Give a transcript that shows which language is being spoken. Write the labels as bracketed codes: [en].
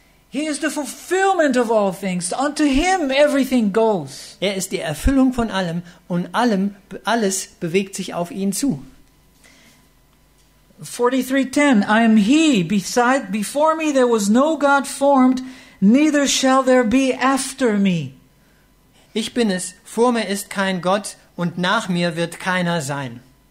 [en] he is the fulfillment of all things. Unto him everything goes. [de] Er ist die Erfüllung von allem und alles bewegt sich auf ihn zu. [en] 43:10, I am he, before me there was no god formed, neither shall there be after me. [de] Ich bin es, vor mir ist kein Gott und nach mir wird keiner sein.